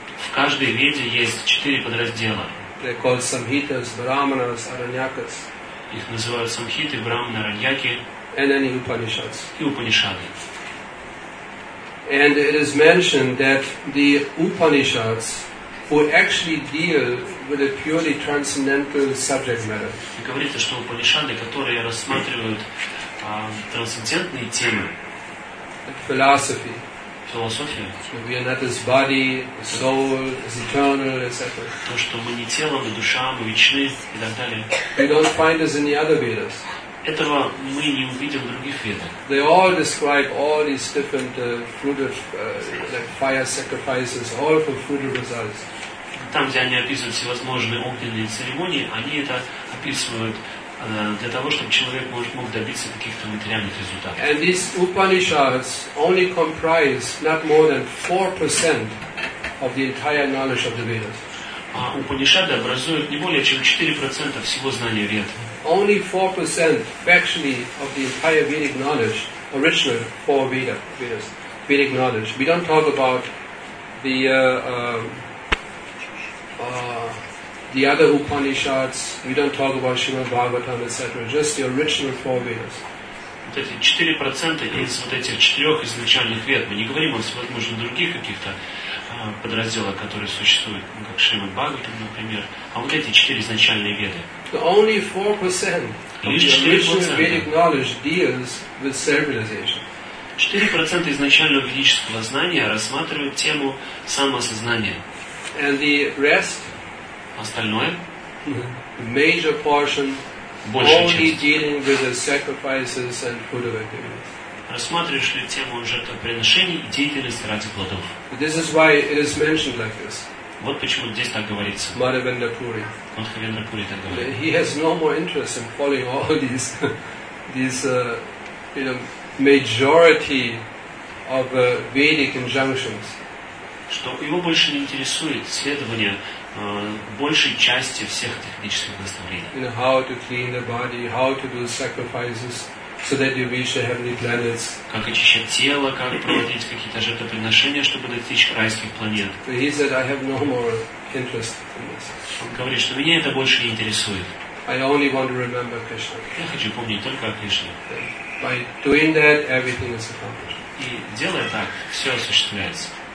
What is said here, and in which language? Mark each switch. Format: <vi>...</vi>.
<ru>В каждой Веде есть четыре подраздела.</ru> <en>They're called Samhitas, Brahmanas, Aranyakas.</en> <ru>Их называют Самхиты, Брахманы, Араньяки.</ru> <en>And then Upanishads.</en> <ru>И Упанишады.</ru> <en>And it is mentioned that the Upanishads, who actually deal with a purely transcendental subject matter.</en> <ru>И говорится, что Упанишады, которые рассматривают трансцендентные темы.</ru> <en>Philosophy.</en> <ru>Философия.</ru> <en>We are not this body, soul, is eternal, etc.</en> <ru>То, что мы не тело, мы душа, мы вечны и так далее.</ru> <en>We don't find this in the other Vedas.</en> <ru>Этого мы не увидим в других Ведах.</ru> <en>They all describe all these different fruitive, like fire sacrifices, all for fruitive results.</en> <ru>Там, где они описывают всевозможные огненные церемонии, они это описывают для того, чтобы человек мог добиться каких-то материальных результатов.</ru> <en>And these Upanishads only comprise not more than 4% of the entire knowledge of the Vedas.</en> <ru>А Упанишады образуют не более чем 4% всего знания Вед.</ru> <en>Only 4% factually of the entire Vedic knowledge, original four Vedas, Vedic knowledge. We don't talk about the other Upanishads, we don't talk about Srimad Bhagavatam, etc. Just the original four Vedas.</en> <ru>Вот эти 4% из вот этих четырех изначальных Вед, мы не говорим о возможно других каких-то подразделах, которые существуют, ну, как Шримад Бхагаватам, например, а вот эти четыре изначальные Веды.</ru> <en>The only 4% of the original Vedic knowledge deals with self-realization.</en> <ru>4% изначального ведического знания рассматривают тему самосознания.</ru> <en>And the rest?</en> <ru>Остальное?</ru> <en>The major portion only dealing with the sacrifices and food of activities.</en> <ru>Рассматриваешь ли тему жертвоприношений и деятельности ради плодов?</ru> <en>This is why it is mentioned like this.</en> <ru>Вот почему здесь так говорится. Мадхавендра Пури. Мадхавендра Пури так говорит.</ru> <en>He has no more interest in following all these, you know, majority of Vedic injunctions.</en> <ru>Что его больше не интересует следование большей части всех технических наставлений.</ru> <en>You know, how to clean the body, how to do sacrifices, so that you reach the heavenly planets.</en> <ru>Как очищать тело, как проводить какие-то жертвоприношения, чтобы достичь райских планет.</ru> <en>He said, I have no more interest in this.</en> <ru>Он говорит, что меня это больше не интересует.</ru> <en>I only want to remember Krishna.</en> <ru>Я хочу помнить только о Кришне.</ru> <en>By doing that, everything is accomplished.</en> <ru>И делая так, все осуществляется.</ru>